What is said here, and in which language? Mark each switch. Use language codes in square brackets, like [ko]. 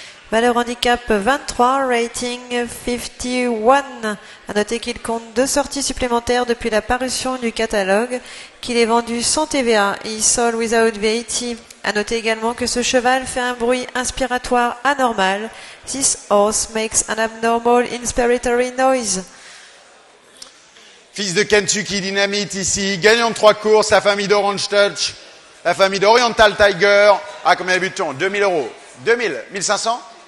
[fr] Valeur handicap 23, rating 51. À noter qu'il compte deux sorties supplémentaires depuis la parution du catalogue, qu'il est vendu sans TVA et [en] sold without VAT. [fr] À noter également que ce cheval fait un bruit inspiratoire anormal. [en] This horse makes an abnormal inspiratory noise. [fr] Fils de Kentucky Dynamite ici, gagnant de trois courses, la famille d'Orange Touch, la famille d'Oriental Tiger. À combien de butons? 2000 euros. 1500?